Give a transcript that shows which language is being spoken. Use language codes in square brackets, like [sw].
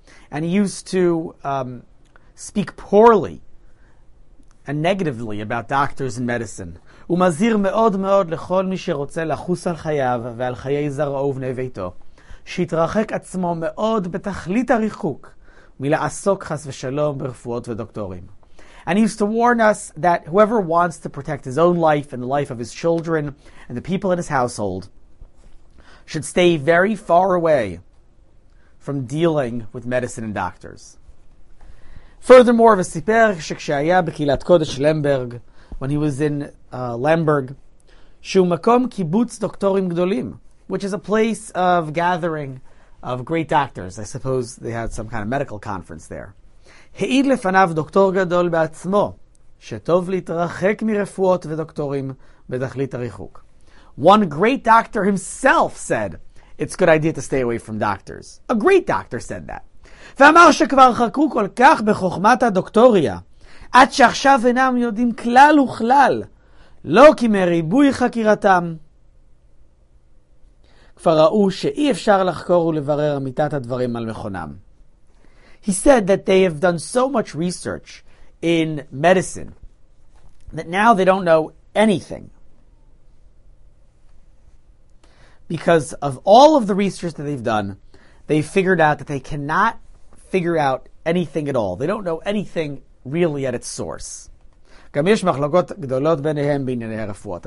[en] And he used to speak poorly and negatively about doctors and medicine. [he] ומזיר מאוד מאוד לכל מי שרוצה לחוס על חייו ועל חיי זרעו ובני ביתו, שיתרחק עצמו מאוד בתכלית הריחוק מלעסוק חס ושלום ברפואות ודוקטורים. [en] And he used to warn us that whoever wants to protect his own life and the life of his children and the people in his household should stay very far away from dealing with medicine and doctors. Furthermore, [he] וסיפר שכשהיה בקהילת קודש למברג, [en] when he was in Lemberg, [he] שהוא מקום קיבוץ דוקטורים גדולים, [en] which is a place of gathering of great doctors. I suppose they had some kind of medical conference there. [he] העיד לפניו דוקטור גדול בעצמו, שטוב להתרחק מרפואות ודוקטורים בתכלית הריחוק. [en] One great doctor himself said, it's a good idea to stay away from doctors. A great doctor said that. [he] ואמר שכבר חקרו כל כך בחוכמת הדוקטוריה, עד שעכשיו אינם יודעים כלל וכלל, לא כי מריבוי חקירתם. כבר ראו שאי אפשר לחקור ולברר אמיתת הדברים על מכונם. [en] He said that they have done so much research in medicine that now they don't know anything. Because of all of the research that they've done, they figured out that they cannot figure out anything at all. They don't know anything really at its source. [he] גם יש מחלוקות גדולות ביניהם בענייני הרפואות.